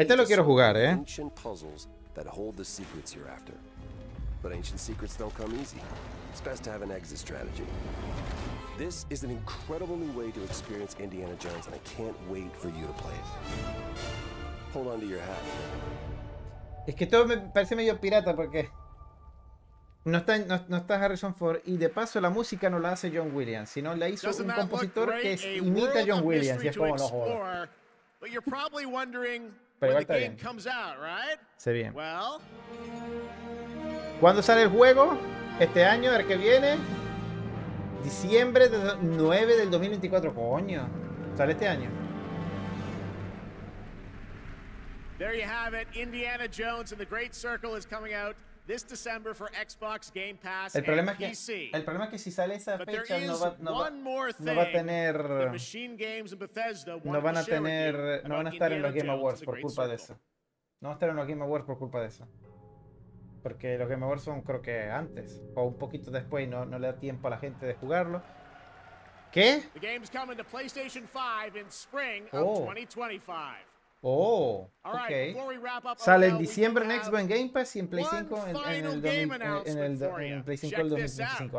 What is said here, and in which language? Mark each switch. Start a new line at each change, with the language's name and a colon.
Spanish: este lo quiero jugar, ¿eh?
English: Ancient puzzles that hold the secrets you're after. But ancient secrets don't come easy. It's best to have an exit strategy. This is an incredible new way to experience Indiana Jones, and I can't wait for you to play it. Hold on to your hat.
Spanish: Es que esto me parece medio pirata porque no está, no, no está Harrison Ford, y de paso la música no la hace John Williams, sino la hizo un compositor que imita a John Williams, y es como no joder.
English: But you're probably wondering when the game comes out, right? Se bien. Well,
Spanish: ¿cuándo sale el juego? Este año, el que viene. Diciembre 9 del 2024. Coño. Sale este año.
English: There you have it. Indiana Jones and the Great Circle is coming out this December for Xbox, Game Pass,
Spanish: el problema
English: and
Spanish: es que, PC. El problema es que si sale esa fecha, no va a tener...
English: Machine Games and Bethesda
Spanish: no van a tener... No van a estar en los Game Awards por culpa de eso. No van a estar en los Game Awards por culpa de eso. Porque los Game Awards son, creo que antes. O un poquito después y no le da tiempo a la gente de jugarlo. ¿Qué?
English: The game's coming to PlayStation 5 in spring of 2025. Oh, ok.
Spanish: Sale en diciembre en Xbox en Game Pass y en Play 5 en el 2025.